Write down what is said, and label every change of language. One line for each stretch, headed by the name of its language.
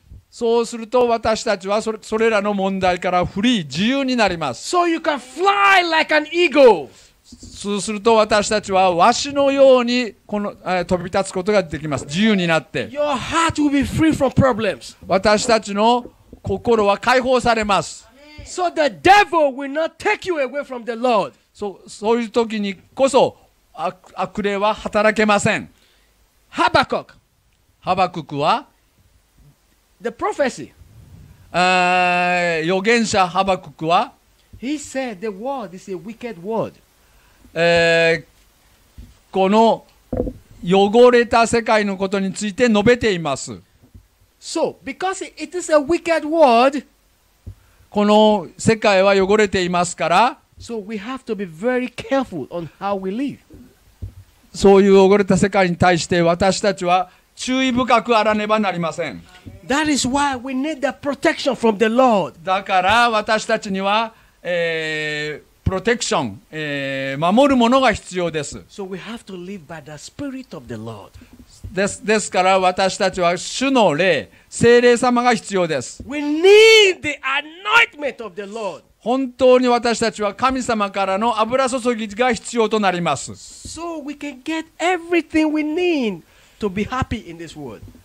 Japanese: そうすると私たちはそれらの問題からフリー、自由になります。
English: So you can fly like an eagle.
Japanese: そうすると私たちはワシのようにこの飛び立つことができます。自由になって
English: Your heart will be free from problems.
Japanese: 私たちの心は解放されます。
English: So the devil will not take you away from the Lord.
Japanese: そういう時にこそ悪霊は働けません。
English: Habakkuk.
Japanese: Habakkuk は
English: The prophecy.
Japanese: 預言者 Habakkuk は
English: He said the world is a wicked world.
Japanese: この汚れた世界のことについて述べています。
English: So, because it is a wicked world,
Japanese: この世界は汚れていますから、
English: So we have to be very careful on how we live.
Japanese: そういう汚れた世界に対して私たちは注意深くあらねばなりません。
English: That is why we need the protection from the Lord.
Japanese: だから私たちには、プロテクション、守るものが必要です。
English: So we have to live by the Spirit of the Lord.
Japanese: ですから私たちは主の霊、聖霊様が必要です。
English: We need the anointment of the Lord.
Japanese: 本当に私たちは神様からの油注ぎが必要となります。
English: So we can get everything we need to be happy in this world.